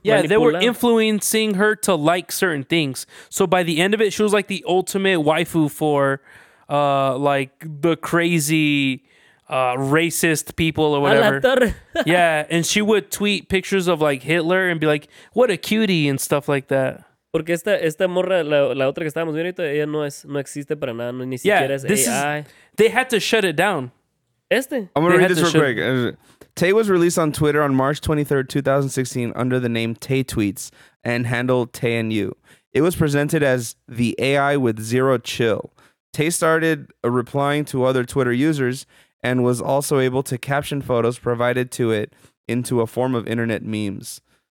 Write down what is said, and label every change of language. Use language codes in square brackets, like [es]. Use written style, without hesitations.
[en] Yeah, they were influencing her to like certain things. So by the end of it, she was like the ultimate waifu for like the crazy racist people or whatever. Yeah, and she would tweet pictures of like Hitler and be like, what a cutie and stuff like that. [es] Porque esta morra, la otra que estábamos viendo, ella no existe para nada, no, ni siquiera es AI. [en] They had to shut it down. I'm going to read this real quick. Tay was released on Twitter on March 23rd, 2016 under the name Tay Tweets and handle Tay and You. It was presented as the AI with zero chill. Tay started replying to other Twitter users and was also able to caption photos provided to it into a form of internet memes.